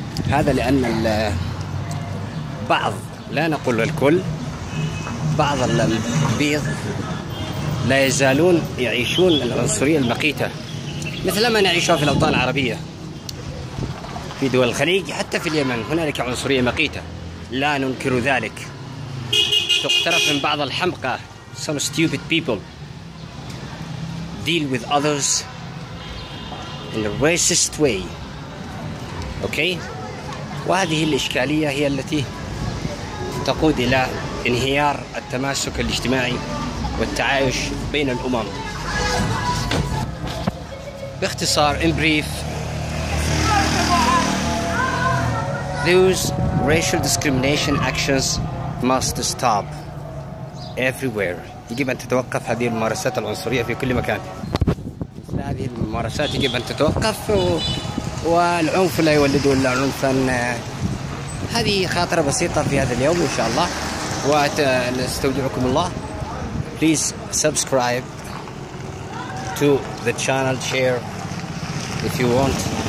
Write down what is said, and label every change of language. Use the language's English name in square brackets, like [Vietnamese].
[Arabic] هذا لأن البعض، لا نقول الكل، بعض البيض لا يزالون يعيشون العنصرية المقيتة مثل ما نعيشها في الأوطان العربية، في دول الخليج، حتى في اليمن هنالك عنصرية مقيتة، لا ننكر ذلك. تقترف من بعض الحمقى. [English] Some stupid people deal with others in a racist way. Okay. [Arabic] وهذه الإشكالية هي التي تقود إلى انهيار التماسك الاجتماعي والتعايش بين الأمم. [English] باختصار, in brief, those racial discrimination actions must stop everywhere. [Arabic] يجب أن تتوقف هذه الممارسات العنصرية في كل مكان. هذه الممارسات يجب أن تتوقف والعنف لا يولد إلا عنفا. هذه خاطرة بسيطة في هذا اليوم إن شاء الله. ونستودعكم الله. [English] Please subscribe to the channel, share if you want.